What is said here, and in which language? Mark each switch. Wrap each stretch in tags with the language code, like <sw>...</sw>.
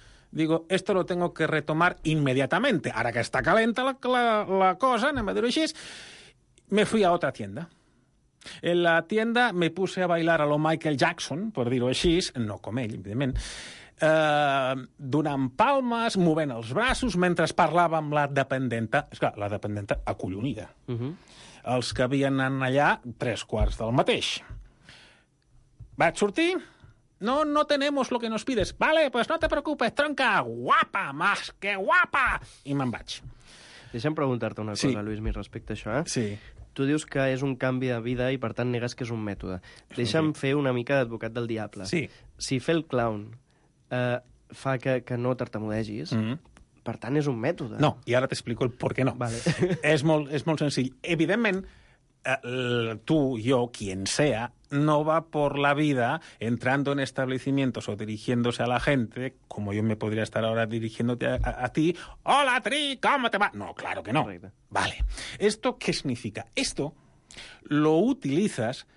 <es>Digo, esto lo tengo que retomar inmediatamente.</es> <ca>Ara que està calenta la cosa, anem a dir-ho així,</ca> <es>me fui a otra tienda. En la tienda me puse a bailar a lo Michael Jackson,</es> <ca>per dir-ho així, no com ell, evidentment, donant palmes, movent els braços, mentre parlava amb la dependenta. És clar, la dependenta acollonida. Uh-huh. Els que havien anat allà, tres quarts del mateix. Vaig sortir.</ca> <es>No tenemos lo que nos pides. Vale, pues no te preocupes, tronca. Guapa, más que guapa.</es> <ca>I me'n vaig. Deixa'm preguntar-te una cosa, Lluís, mi respecte a això. Sí. Tu dius que és un canvi de vida i, per tant, negues que és un mètode. Deixa'm fer una mica d'advocat del diable. Sí. Si fer el clown... fa que no tartamudegis. Mm-hmm. Per tant, és un mètode. No, i ara t'explico el per què no. Vale. És molt senzill. Evidentment, tu, jo,</ca> <es>quien sea, no va por la vida entrando en establecimientos o dirigiéndose a la gente, como yo me podría estar ahora dirigiéndote a ti. ¡Hola, Tri! ¿Cómo te va? No, claro que no.</es> <ca>Correcte.</ca> <es>Vale. ¿Esto qué significa? Esto lo utilizas...</es>